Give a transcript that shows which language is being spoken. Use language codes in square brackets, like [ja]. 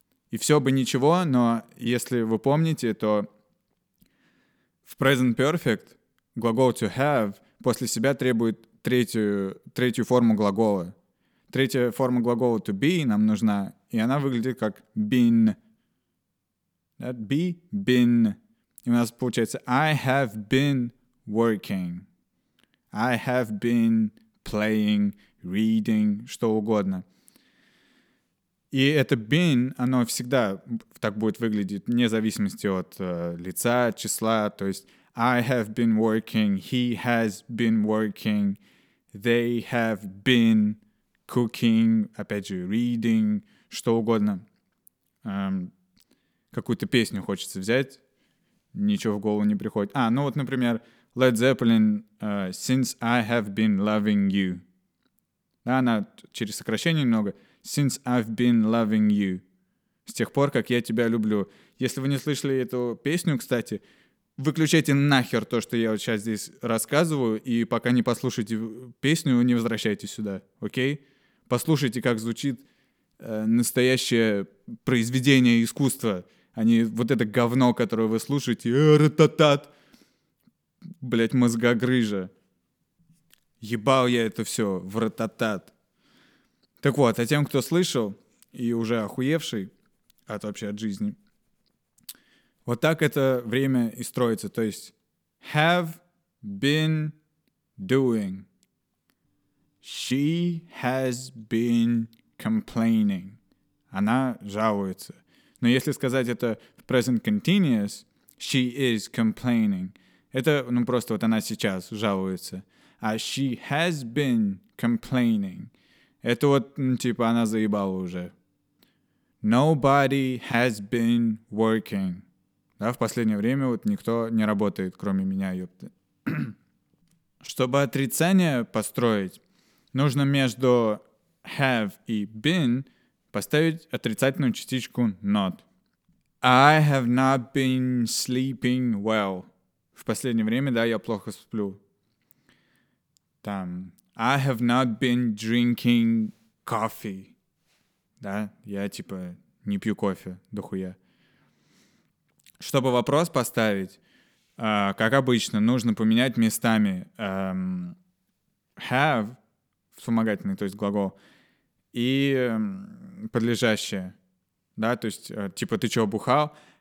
[ru] И все бы ничего, но если вы помните, то в present perfect глагол to have после себя требует третью форму глагола. Третья форма глагола to be нам нужна, и она выглядит как been. [en] That be, been. [ru] И у нас получается [en] I have been working. I have been playing, reading, [ru] что угодно. И это been, оно всегда так будет выглядеть, вне зависимости от лица, числа. То есть [en] I have been working, he has been working, they have been cooking, [ru] опять же, [en] reading, [ru] что угодно. Какую-то песню хочется взять, ничего в голову не приходит. А, ну вот, например, [en] Led Zeppelin, since I have been loving you. [ru] Да, она через сокращение немного. [en] Since I've been loving you. [ru] С тех пор, как я тебя люблю. Если вы не слышали эту песню, кстати, выключайте нахер то, что я вот сейчас здесь рассказываю, и пока не послушаете песню, не возвращайтесь сюда, окей? Послушайте, как звучит настоящее произведение искусства, а не вот это говно, которое вы слушаете. Ра-та-тат. Блять, мозгогрыжа. Ебал я это все в ра-та-тат. Так вот, а тем, кто слышал и уже охуевший от вообще от жизни, вот так это время и строится. То есть [en] have been doing. She has been complaining. [ru] Она жалуется. Но если сказать это в present continuous, [en] she is complaining. [ru] Это, ну, просто вот она сейчас жалуется. А [en] she has been complaining. [ru] Это вот, ну, типа, она заебала уже. [en] Nobody has been working. [ru] Да, в последнее время вот никто не работает, кроме меня, ёпта. Чтобы отрицание построить, нужно между have и been поставить отрицательную частичку not. [en] I have not been sleeping well. [ru] В последнее время, да, я плохо сплю. Там. [en] I have not been drinking coffee. [ru] Да, я типа не пью кофе, дохуя. Чтобы вопрос поставить, как обычно, нужно поменять местами have, вспомогательный, то есть глагол, и подлежащее, да, то есть, типа, ты чего бухал?